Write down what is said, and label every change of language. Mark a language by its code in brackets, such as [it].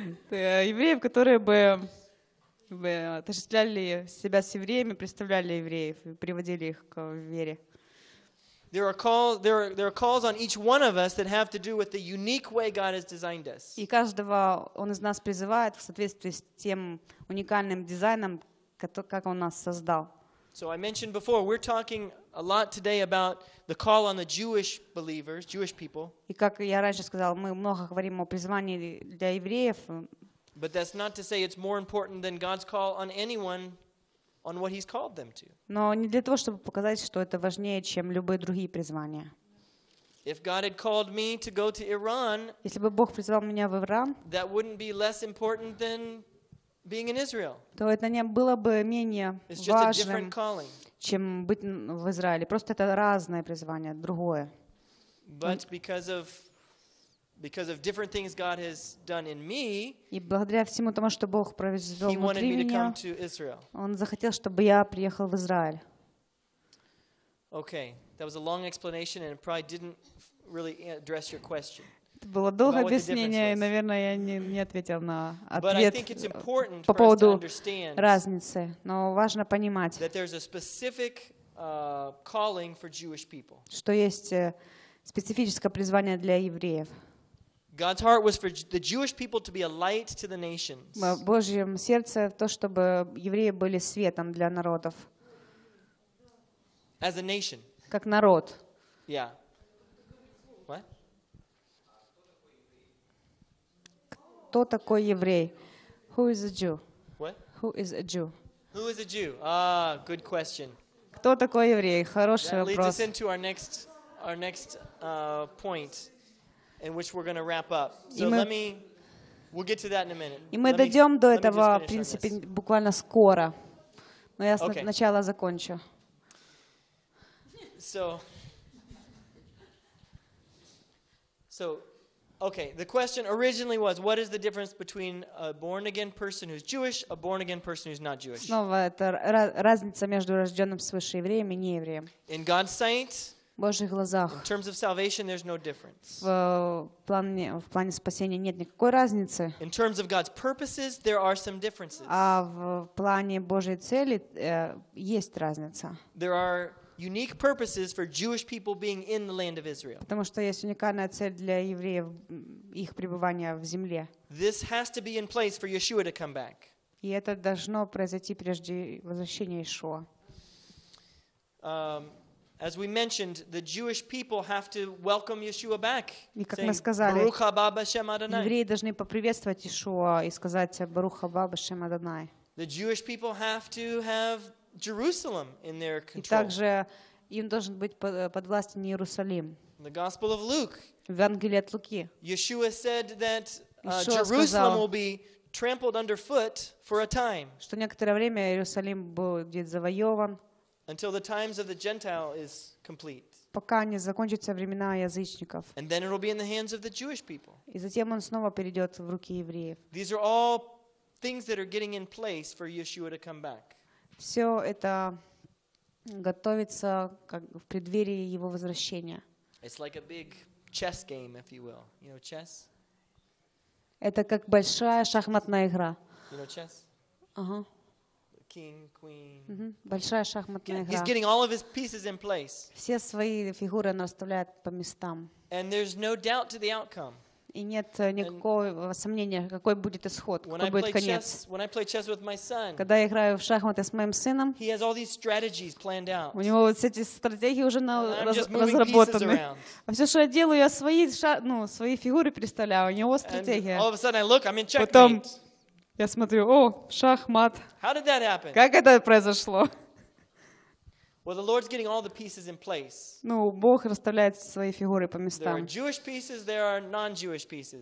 [ru] Евреев, которые бы отождествляли себя с евреями, представляли евреев, приводили их к вере. [en] There are calls on each one of us that have to do with the unique way God has designed us. [ru] И каждого он из нас призывает в соответствии с тем уникальным дизайном, как он нас создал. [en] So I mentioned before, we're talking a lot today about the call on the Jewish believers, Jewish people. [ru] И как я раньше сказал, мы много говорим о призвании для евреев. [en] But that's not to say it's more important than God's call on anyone on what he's called them to. [ru] Но не для того, чтобы показать, что это важнее, чем любые другие призвания. [en] If God had called me to go to Iran, [ru] если бы Бог призвал меня в Иран, [en] that wouldn't be less important than being in Israel. [ru] То это не было бы менее важным, чем быть в Израиле. Просто это разное призвание, другое. [en] But because of different things God has done in me, [ru] и благодаря всему тому, что Бог произвел внутри меня, он захотел, чтобы я приехал в Израиль. [en] Okay, that was a long explanation and it probably didn't really address your question. [ru] Это было долгое объяснение, и, наверное, я не ответил на ответ по поводу разницы. Но важно понимать, что есть специфическое призвание для евреев. [en] God's heart was for the Jewish people to be a light to the nations. [ru] Божье сердце то, чтобы евреи были светом для народов. [en] As a nation. [ru] Как народ. [en] Yeah. [ru] Кто такой еврей? [en] Who is a Jew? What? Who is a Jew? Who is a Jew? Ah, good question. [ru] Кто такой еврей? Хороший вопрос. [en] That leads us into our next point, in which we're going to wrap up. So we'll get to that in a minute. [ru] И мы дойдем до этого, в принципе, буквально скоро. Но я сначала закончу. [en] So So, okay, the question originally was, what is the difference between a born-again person who's Jewish, a born-again person who's not Jewish? [ru] Снова это разница между рожденным свыше евреем и неевреем. [en] In God's sight, [ru] в Божьих глазах, [en] in terms of salvation, there's no difference. [ru] В плане спасения нет никакой разницы. [en] In terms of God's purposes, there are some differences. [ru] А в плане Божьей цели есть разница. [en] There are unique purposes for Jewish people being in the land of Israel. [ru] Потому что есть уникальная цель для евреев их пребывания в земле. [en] This has to be in place for Yeshua to come back. [ru] И это должно произойти прежде возвращения Иешуа. [en] As we mentioned, the Jewish people have to welcome Yeshua back. [ru] И как мы сказали, [he] Baruch haba b'shem Adonai. [ru] Евреи должны поприветствовать Иешуа и сказать [he] Baruch haba b'shem Adonai. [en] The Jewish people have to have Jerusalem in their control. [ru] И также им должен быть подвластен Иерусалим. [en] The Gospel of Luke. [ru] В Евангелии от Луки. [en] Yeshua said that Jerusalem will be trampled underfoot for a time. [ru] Что некоторое время Иерусалим будет завоёван. [en] Until the times of the Gentile is complete. [ru] Пока не закончатся времена язычников. [en] And then it will be in the hands of the Jewish people. [ru] И затем он снова перейдёт в руки евреев. [en] These are all things that are getting in place for Yeshua to come back. [ru] Все это готовится как в преддверии его возвращения. [en] It's like a big chess game, if you will. You know chess? [ru] Это как большая шахматная игра. [en] You know chess? Uh-huh. King, queen. Uh-huh. [ru] Большая шахматная игра. [en] He's getting all of his pieces in place. [ru] Все свои фигуры он расставляет по местам. [en] And there's no doubt to the outcome. [ru] И нет никакого сомнения, какой будет исход, какой будет конец. Когда я играю в шахматы с моим сыном, у него вот эти стратегии уже разработаны. А все, что я делаю, я свои фигуры переставляю, у него стратегия. Потом я смотрю, о, шахмат. Как это произошло? [en] Well, the Lord's getting all the pieces in place. [ru] Ну, Бог расставляет свои фигуры по местам. [en] There are Jewish pieces, there are non-Jewish pieces.